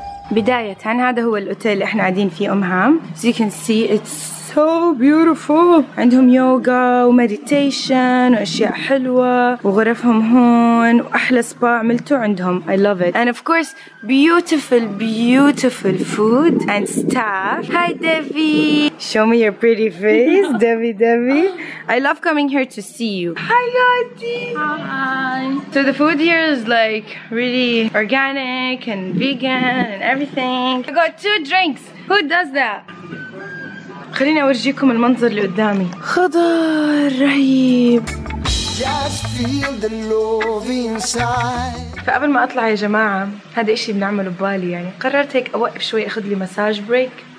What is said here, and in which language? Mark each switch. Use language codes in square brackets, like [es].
[ar] بداية هذا هو الأوتيل اللي احنا قاعدين فيه أم هام. [en] As you can see it's so beautiful. [ar] عندهم يوغا وميديتيشن وأشياء حلوة وغرفهم هون وأحلى سبا عملته عندهم. [en] I love it. And of course beautiful beautiful food and staff. Hi Devi. Show me your pretty face. Devi, Devi. I love coming here to see you. Hi Adi. Hi. So the food here is like really organic and vegan and everything. I got two drinks. Who does that? [ar] خليني أورجيكم المنظر اللي قدامي. خضار رهيب. [en] Just feel the love inside. [ar] فقبل ما أطلع يا جماعة, هذا إشي بنعمله ببالي يعني. قررت هيك أوقف شوي أخذ لي مساج بريك.